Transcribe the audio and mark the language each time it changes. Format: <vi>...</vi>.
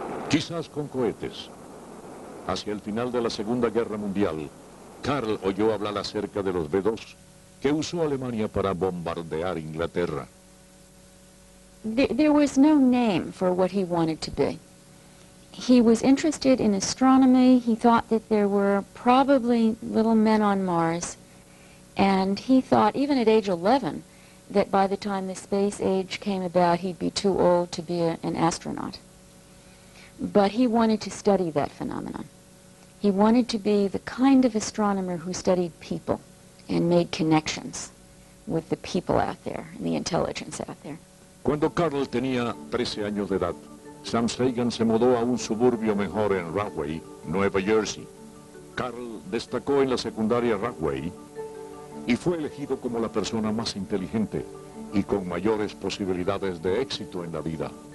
<es>Quizás con cohetes. Hacia el final de la Segunda Guerra Mundial, Carl oyó hablar acerca de los V2 que usó Alemania para bombardear Inglaterra.</es> <en>There was no name for what he wanted to be. He was interested in astronomy. He thought that there were probably little men on Mars. And he thought, even at age 11, that by the time the space age came about, he'd be too old to be an astronaut. But he wanted to study that phenomenon. He wanted to be the kind of astronomer who studied people and made connections with the people out there and the intelligence out there.</en> <es>Cuando Carl tenía 13 años de edad, Sam Sagan se mudó a un suburbio mejor en Rahway, Nueva Jersey. Carl destacó en la secundaria Rahway y fue elegido como la persona más inteligente y con mayores posibilidades de éxito en la vida.</es>